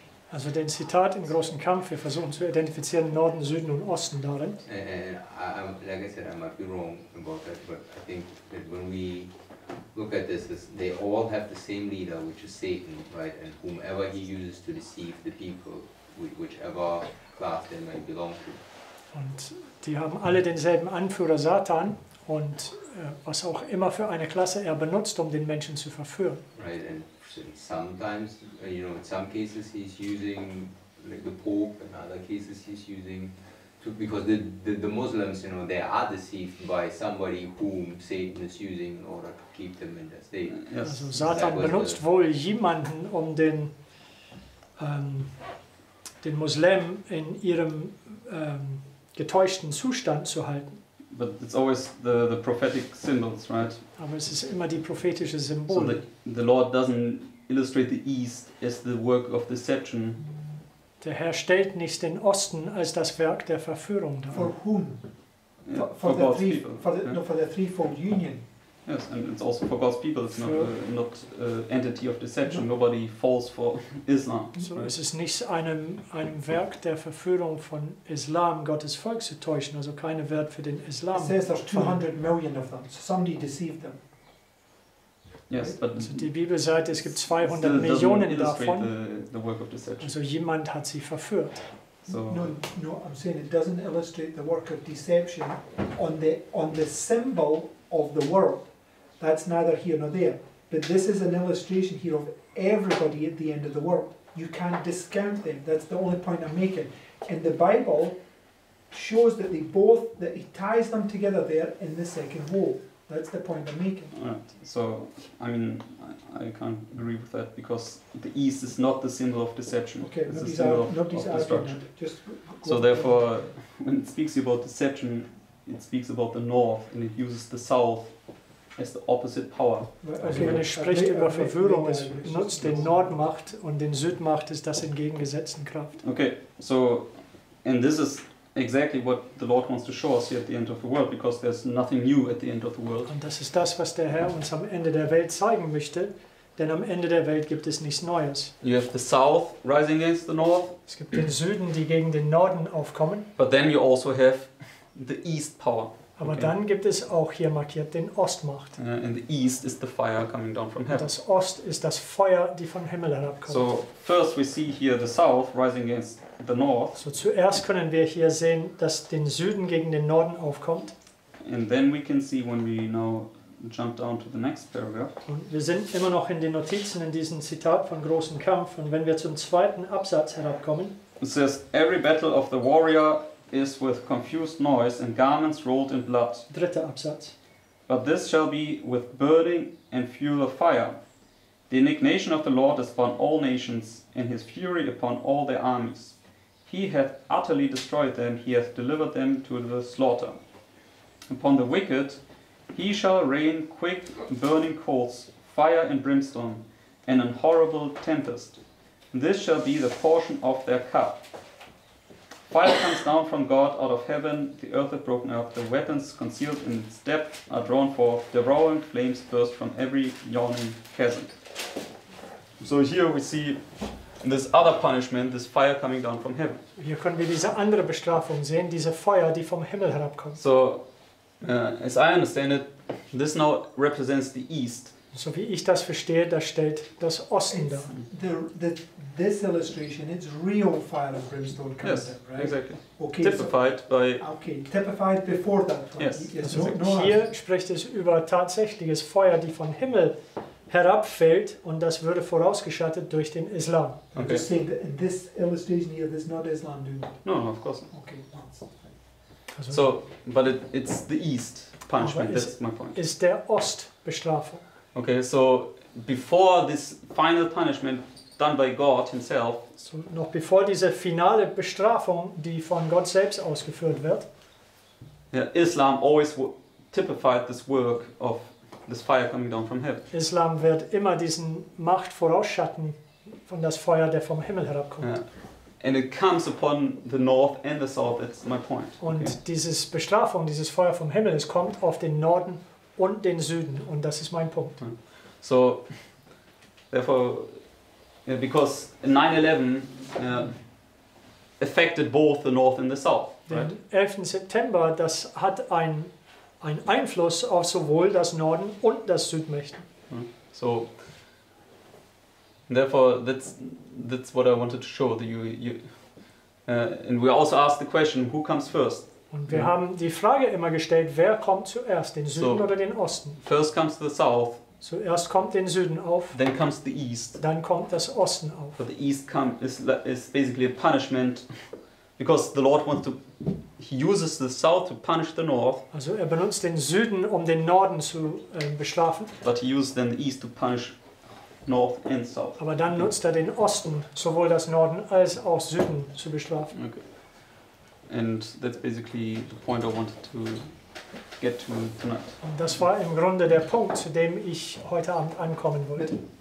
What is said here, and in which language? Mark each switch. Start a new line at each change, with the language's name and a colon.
German: Also den Zitat im großen Kampf, wir versuchen zu identifizieren Norden, Süden und Osten darin.
English: Like I said, I might be wrong about that, but I think that when we look at this, they all have the same leader, which is Satan, right? And whomever he uses to deceive the people, whichever class they might belong to.
German: Und die haben alle denselben Anführer Satan und was auch immer für eine Klasse er benutzt, um den Menschen zu verführen.
English: Right, and sometimes, you know, in some cases he's using like the Pope, in other cases he's using to, because the Muslims, you know, they are deceived by somebody whom Satan is using in order to keep them in their state.
German: Also Satan benutzt wohl jemanden, um den den Muslim in ihrem getäuschten Zustand zu halten.
English: But it's always the prophetic symbols, right?
German: Aber es ist immer die prophetische Symbol.
English: So the Lord doesn't illustrate the East as the work of deception.
German: Der Herr stellt nicht den Osten als das Werk der Verführung dar.
English: For whom? For the threefold union. Yes, and it's also for God's people. It's not entity of deception. No. Nobody falls for Islam.
German: So es ist nicht einem Werk der Verführung von Islam, Gottes Volk zu täuschen. Also keine Wert für den Islam.
English: It says there's 200 million of them. So somebody deceived them. Yes, but
German: also die Bibel sagt, es gibt 200 Millionen davon.
English: The work of deception.
German: Also jemand hat sie verführt.
English: So, no, I'm saying it doesn't illustrate the work of deception on the symbol of the world. That's neither here nor there. But this is an illustration here of everybody at the end of the world. You can't discount them. That's the only point I'm making. And the Bible shows that they both, that he ties them together there in the second woe. That's the point I'm making. Right. So, I mean, I can't agree with that because the East is not the symbol of deception. Okay, it's not the symbol of destruction. So therefore, when it speaks about deception, it speaks about the north, and it uses the south has the opposite power.
German: Also wenn es spricht über Verwirrung, es nutzt den Nordmacht und den Südmacht ist das entgegengesetzten Kraft.
English: Okay, so, and this is exactly what the Lord wants to show us here at the end of the world, because there's nothing new at the end of the world.
German: Und das ist das, was der Herr uns am Ende der Welt zeigen möchte, denn am Ende der Welt gibt es nichts Neues.
English: You have the south rising against the north.
German: Es gibt den Süden, die gegen den Norden aufkommen.
English: But then you also have the east power.
German: Aber okay, dann gibt es auch hier markiert den Ostmacht.
English: And the east is the fire coming down from heaven.
German: Das Ost ist das Feuer, die vom Himmel herabkommt.
English: So first we see here the south rising against the north.
German: So zuerst können wir hier sehen, dass den Süden gegen den Norden aufkommt.
English: And then we can see when we now jump down to the next paragraph.
German: Und wir sind immer noch in den Notizen in diesem Zitat von großem Kampf, und wenn wir zum zweiten Absatz herabkommen.
English: It says every battle of the warrior is with confused noise and garments rolled in blood.
German: Dritter Absatz.
English: But this shall be with burning and fuel of fire. The indignation of the Lord is upon all nations, and his fury upon all their armies. He hath utterly destroyed them, he hath delivered them to the slaughter. Upon the wicked he shall rain quick burning coals, fire and brimstone, and an horrible tempest. This shall be the portion of their cup. Fire comes down from God out of heaven, the earth is broken up, the weapons concealed in its depth are drawn forth, the roaring flames burst from every yawning chasm. So here we see this other punishment, this fire coming down from heaven.
German: Hier können wir diese andere Bestrafung sehen, diese Feuer, die vom Himmel herabkommt.
English: So, as I understand it, this now represents the east.
German: So wie ich das verstehe, das stellt das Osten dar.
English: This illustration, it's real fire and brimstone coming, yes, down, right? Exactly. Okay, typified so, by... Okay, typified before that. Right? Yes.
German: Also exactly. No, hier spricht es über tatsächliches Feuer, die vom Himmel herabfällt, und das würde vorausgeschattet durch den Islam.
English: Okay. I'm just saying that in this illustration here, there's not Islam doing it. No, of course not. Okay. So, but it's the East punishment, that's my point.
German: Ist der Ost Bestrafung.
English: Okay, so before this final punishment done by God himself.
German: So noch bevor diese finale Bestrafung, die von Gott selbst ausgeführt wird.
English: Yeah, Islam always typified this work of this fire coming down from heaven.
German: Islam wird immer diesen Macht vorausschatten von das Feuer, der vom Himmel herabkommt.
English: Yeah. And it comes upon the north and the south, that's my point.
German: Und okay, dieses Bestrafung, dieses Feuer vom Himmel, es kommt auf den Norden und den Süden, und das ist mein Punkt.
English: So, therefore, yeah, because 9/11 affected both the north and the south.
German: Den
English: right?
German: 11. September, das hat ein Einfluss auf sowohl das Norden und das Südmächten.
English: So, therefore, that's what I wanted to show. And we also asked the question, who comes first?
German: Und wir haben die Frage immer gestellt, wer kommt zuerst, den Süden oder den Osten?
English: First comes the south.
German: Zuerst kommt den Süden auf.
English: Then comes the east.
German: Dann kommt das Osten auf.
English: But the east is basically a punishment, because the Lord wants to, he uses the south to punish the north.
German: Also er benutzt den Süden, um den Norden zu bestrafen.
English: But he uses then the east to punish north and south.
German: Aber dann nutzt er den Osten, sowohl das Norden als auch Süden zu bestrafen.
English: Okay. And that's basically the point I wanted to get to tonight.
German: Und das war im Grunde der Punkt, zu dem ich heute Abend ankommen wollte.